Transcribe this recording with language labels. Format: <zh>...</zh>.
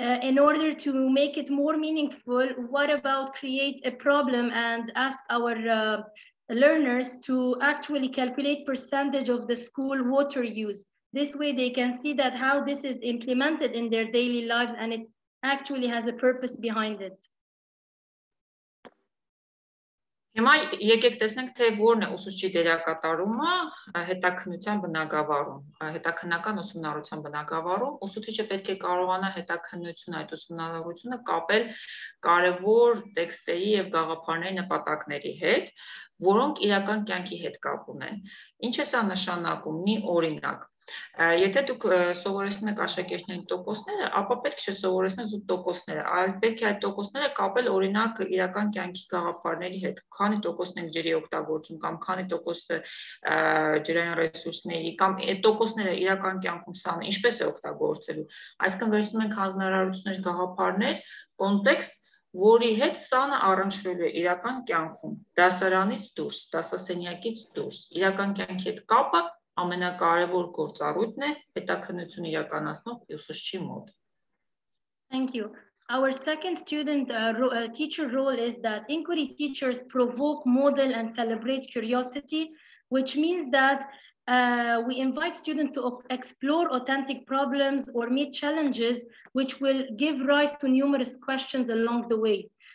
<en>In order to make it more meaningful, what about create a problem and ask our learners to actually calculate percentage of the school water use? This way they can see that how this is implemented in their daily lives and it actually has a purpose behind it.</en> <hy>Հիմա եկեք տեսնենք, թե որն է ուսուցչի դերակատարումը հետաքննության բնագավառում, հետաքննական ուսումնառության բնագավառում։ Ուսուցիչը պետք է կարողանա հետաքննությունը, այդ ուսումնառությունը կապել կարևոր տեքստերի եւ գաղափարների նպատակների հետ, որոնք իրական կյանքի հետ կապ ունեն։ Ինչ է սա նշանակում, մի օրինակ։ Եթե դուք սովորեցնում եք աշակերտներին տոկոսները, ապա պետք չէ սովորեցնել զուտ տոկոսները, այլ պետք է այդ տոկոսները կապել օրինակ իրական կյանքի գաղափարների հետ։ Քանի տոկոսն ենք ջրի օգտագործում կամ քանի տոկոսը ջրային ռեսուրսների կամ այդ տոկոսները իրական կյանքում ցանը ինչպես է օգտագործելու։ Այսինքն վերցնում ենք հանձնարարություններ, գաղափարներ, կոնտեքստ, որի հետ ցանը առնչվելու է իրական կյանքում, դասարանից դուրս, դասասենյակից դուրս, իրական կյանքի հետ կապը ամենակարևոր գործառույթն է հետաքննություն իրականացնող ուսուցչի մոտ։</hy> <en>Thank you. Our second student teacher role is that inquiry teachers provoke, model, and celebrate curiosity, which means that we invite students to explore authentic problems or meet challenges, which will give rise to numerous questions along the way.</en>